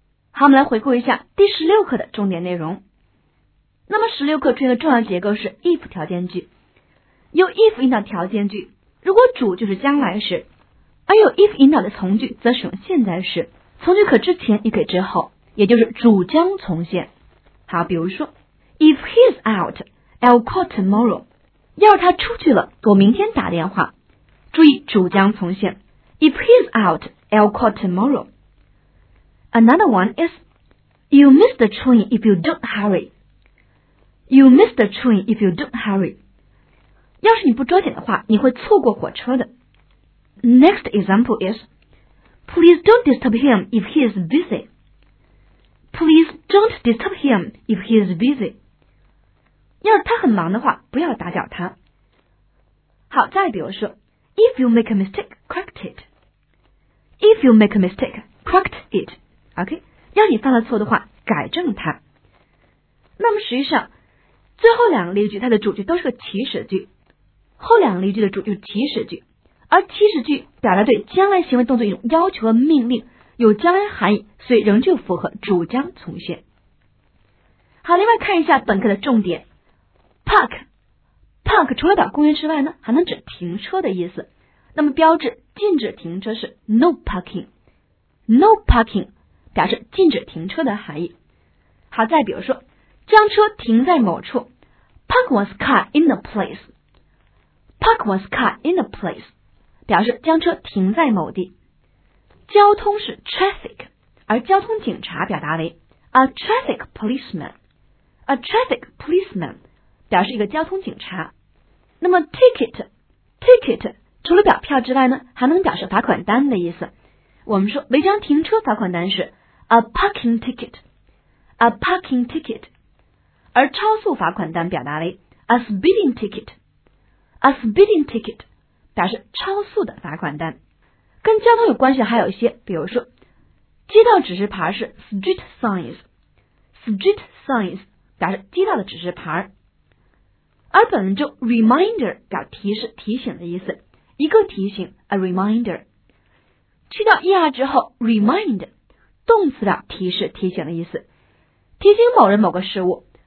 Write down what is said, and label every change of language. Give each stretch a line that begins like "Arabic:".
Chinese: 好，我们来回顾一下第16课的重点内容。那么16课出现的重要结构是 if 条件句，由 if 引导条件句，如果主就是将来时，而有 if 引导的从句则使用现在时，从句可之前也可之后，也就是主将从现。好，比如说
English: If he's out, I'll call tomorrow。
Chinese: 要是他出去了，我明天打电话。注意主将从现，
English: If he's out, I'll call tomorrow。 Another one is You miss the train if you don't hurry。 You miss the train if you don't hurry。
Chinese: 要是你不抓紧的话，你会错过火车的。
English: Next example is Please don't disturb him if he is busy。 Please don't disturb him if he is busy。
Chinese: 要是他很忙的话，不要打搅他。
English: 好，再比如说 If you make a mistake, correct it。 If you make a mistake, correct it。
Chinese: OK， 要你犯了错的话，改正它。那么实际上，最后两个例句它的主句都是个祈使句，后两个例句的主句祈使句，而祈使句表达对将来行为动作一种要求和命令，有将来含义，所以仍旧符合主将从现。好，另外看一下本课的重点 Park 除了表公园之外呢，还能指停车的意思。那么标志禁止停车是
English: No parking。
Chinese: No parking 表示禁止停车的含义。好，再比如说
English: 将车停在某处， Park one's car in the place。 Park one's car in the place
Chinese: 表示将车停在某地。交通是 traffic， 而交通警察表达为
English: a traffic policeman。 a traffic policeman
Chinese: 表示一个交通警察。那么 ticket 除了表票之外呢，还能表示罚款单的意思。我们说违章停车罚款单是
English: a parking ticket。 a parking ticket
Chinese: 而超速罚款单表达为
English: a speeding ticket。 a speeding ticket
Chinese: 表示超速的罚款单。跟交通有关系还有一些，比如说街道指示牌是
English: street signs。 street signs
Chinese: 表示街道的指示牌。而本文中 reminder 表提示提醒的意思，一个提醒
English: a reminder，
Chinese: 去掉 er 之后 remind 动词表提示提醒的意思，提醒某人某个事物。